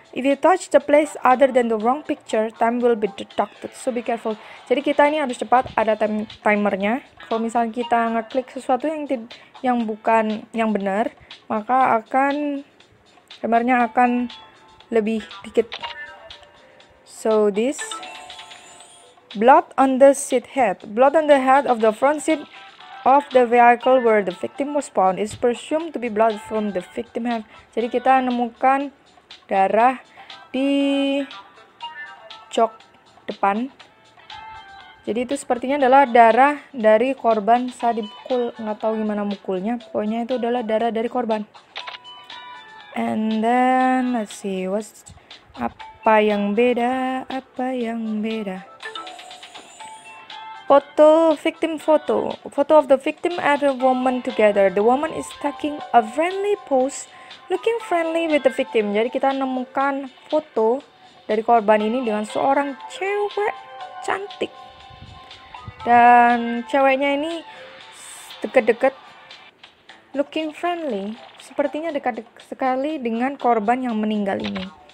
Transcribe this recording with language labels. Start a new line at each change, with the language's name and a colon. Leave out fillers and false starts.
English: If you touch the place other than the wrong picture, time will be deducted, so be careful.
Indonesian: Jadi kita ini harus cepat, ada timernya. Kalau misalnya kita ngeklik sesuatu yang bukan yang benar, maka akan timernya akan lebih dikit.
English: So this blood on the seat head. Blood on the head of the front seat of the vehicle where the victim was found is presumed to be blood from the victim head.
Indonesian: Jadi kita nemukan darah di jok depan. Jadi itu sepertinya adalah darah dari korban saat dipukul. Nggak tahu gimana mukulnya. Pokoknya itu adalah darah dari korban.
English: And then let's see what's
Indonesian: apa yang beda? Apa yang beda?
English: Photo, victim photo. Photo of the victim and a woman together. The woman is taking a friendly pose, looking friendly with the victim.
Indonesian: Jadi kita nemukan foto dari korban ini dengan seorang cewek cantik. Dan ceweknya ini dekat-dekat,
English: looking friendly.
Indonesian: Sepertinya dekat sekali dengan korban yang meninggal ini.